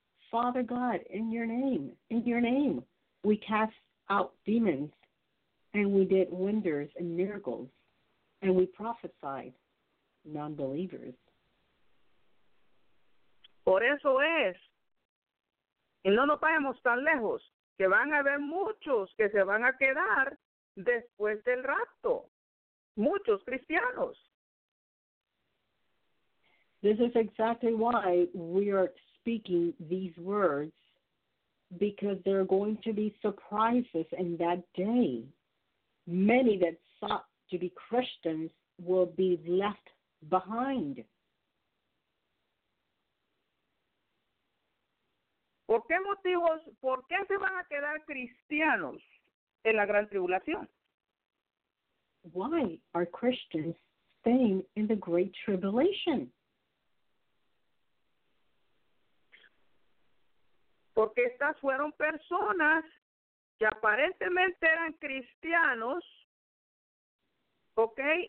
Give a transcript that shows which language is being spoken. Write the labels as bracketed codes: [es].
[en] Father God, in your name, we cast out demons, and we did wonders and miracles, and we prophesied non-believers. [es] Por eso es, y no nos vayamos tan lejos, que van a haber muchos que se van a quedar después del rapto, muchos cristianos. [en] This is exactly why we are speaking these words, because there are going to be surprises in that day. Many that sought to be Christians will be left behind. [es] ¿Por qué motivos? ¿Por qué se van a quedar cristianos en la gran tribulación? [en] Why are Christians staying in the great tribulation? [es] Porque estas fueron personas que aparentemente eran cristianos, ¿ok?